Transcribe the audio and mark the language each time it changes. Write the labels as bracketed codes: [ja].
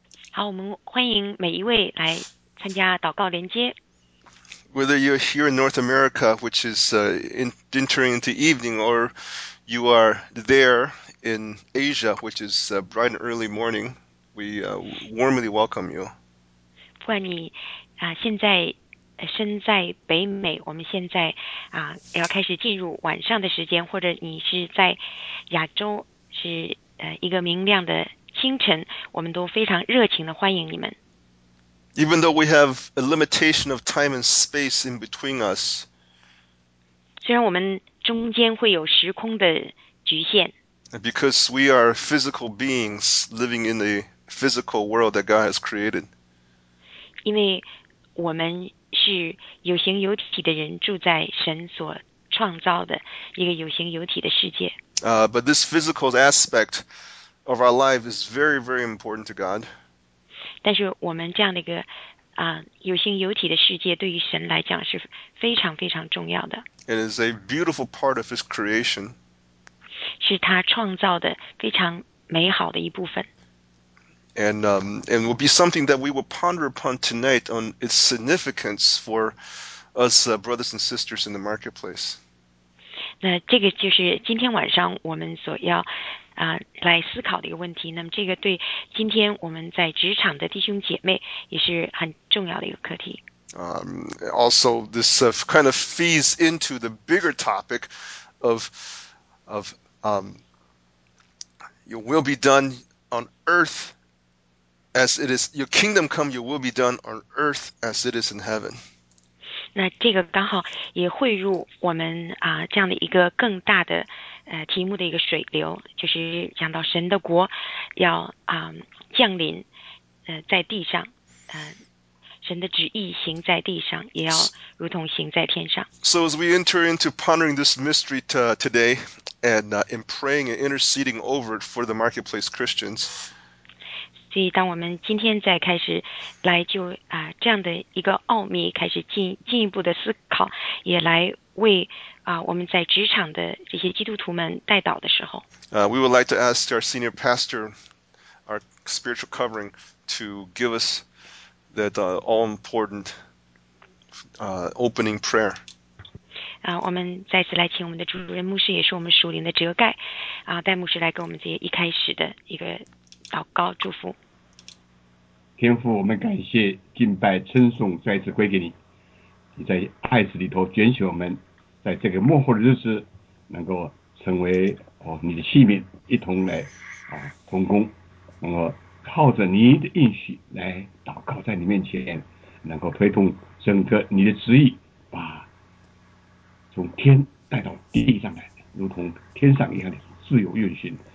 [zh] 好，我们欢迎每一位来参加祷告连接。 [en] Whether you're here in North America, which is entering into evening, or you are there in Asia, which is bright and early morning, we warmly welcome you. [zh] 不管你现在身在北美，我们现在要开始进入晚上的时间，或者你是在亚洲，是一个明亮的清晨，我们都非常热情的欢迎你们。 [en] Even though we have a limitation of time and space in between us, [zh] 虽然我们中间会有时空的局限， [en] because we are physical beings living in the physical world that God has created. [zh] 因为我们是有形有体的人，住在神所创造的一个有形有体的世界。 [en] But this physical aspect of our life is very, very important to God. [zh] 但是我们这样的一个有形有体的世界，对于神来讲是非常非常重要的， [en] It is a beautiful part of his creation. [zh] 是他创造的非常美好的一部分。 [en] And will be something that we will ponder upon tonight on its significance for us brothers and sisters in the marketplace. [zh] 那这个就是今天晚上我们所要来思考的一个问题。那么，这个对今天我们在职场的弟兄姐妹也是很重要的一个课题。 [en] Also, this kind of feeds into the bigger topic of your will be done on earth as it is, your kingdom come, your will be done on earth as it is in heaven. [zh] 那这个刚好也汇入我们这样的一个更大的题目的一个水流，就是讲到神的国要降临在地上，神的旨意行在地上，也要如同行在天上。 [en] So as we enter into pondering this mystery today and in praying and interceding over it for the marketplace Christians, [zh] 所以，当我们今天再开始来就这样的一个奥秘开始进一步的思考，也来为我们在职场的这些基督徒们代祷的时候， [en] we would like to ask our senior pastor, our spiritual covering, to give us that all-important opening prayer. [zh] 我们再次来请我们的主任牧师，也是我们属灵的遮盖，戴牧师来给我们这一开始的一个祷告祝福。天父，我们感谢、敬拜、称颂，再次归给你。你在爱子里头拣选我们，在这个末后的日子，能够成为你的器皿，一同来同工，能够靠着你的应许来祷告，在你面前能够推动整个你的旨意，把从天带到地上来，如同天上一样的自由运行。